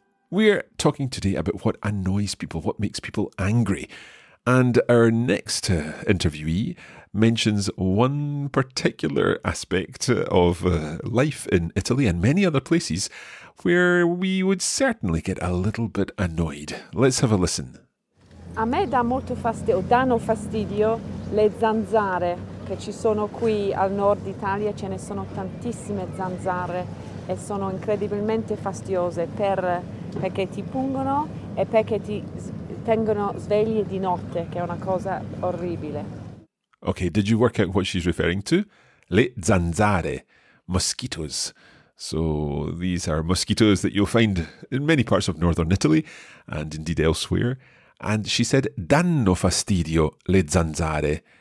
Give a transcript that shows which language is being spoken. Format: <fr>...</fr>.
<en>We're talking today about what annoys people, what makes people angry. And our next interviewee mentions one particular aspect of life in Italy and many other places where we would certainly get a little bit annoyed. Let's have a listen.</en> <it>A me dà molto fastidio, danno fastidio le zanzare che ci sono qui al nord Italia, ce ne sono tantissime zanzare e sono incredibilmente fastidiose perché ti pungono e perché ti tengono svegli di notte, che è una cosa orribile.</it> <en>Okay, did you work out what she's referring to?</en> <it>Le zanzare,</it> <en>mosquitoes. So these are mosquitoes that you'll find in many parts of northern Italy and indeed elsewhere. And she said,</en> <it>danno fastidio le zanzare.</it>